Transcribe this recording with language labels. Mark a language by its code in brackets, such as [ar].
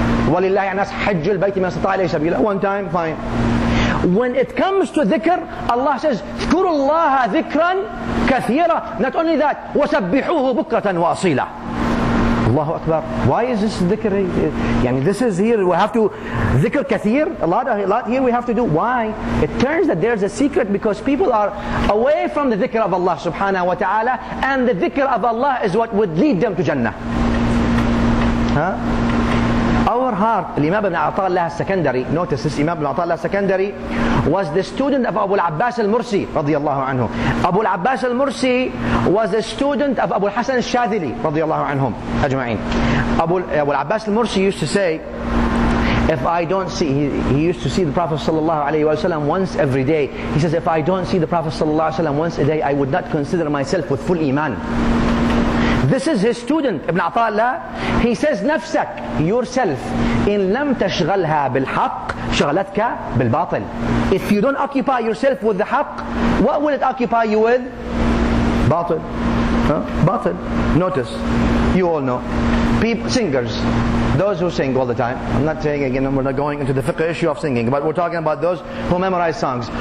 [ar] ولله الناس حج البيت من استطاع إليه سبيلا. [en] One time. Fine. When it comes to dhikr, Allah says, [ar] اذكروا الله ذكرا كثيرا. [en] Not only that, [ar] وسبحوه بكرة وأصيلا. الله أكبر. [en] Why is this dhikr? يعني this is here, we have to dhikr كثير. A lot here we have to do. Why? It turns that there's a secret because people are away from the dhikr of Allah subhanahu wa ta'ala, and the dhikr of Allah is what would lead them to Jannah. Huh? Our heart, الإمام ابن عطاء الله السكندري, notice this, الإمام ابن عطاء الله السكندري was the student of أبو العباس المرسي [ar] رضي الله عنه. [en] أبو العباس المرسي was a student of أبو الحسن الشاذلي [ar] رضي الله عنهم أجمعين. [en] أبو العباس المرسي used to say, if I don't see, he used to see the Prophet [ar] صلى الله عليه وسلم [en] once every day. He says, if I don't see the Prophet [ar] صلى الله عليه وسلم [en] once a day, I would not consider myself with full إيمان. This is his student, Ibn Ata'Allah. He says, [ar] نفسك, [en] yourself, [ar] إن لم تشغلها بالحق, شغلتك بالباطل. [en] If you don't occupy yourself with the حق, what will it occupy you with? [ar] باطل. Huh? باطل. [en] Notice, you all know, people, singers, those who sing all the time, I'm not saying again, we're not going into the fiqh issue of singing, but we're talking about those who memorize songs.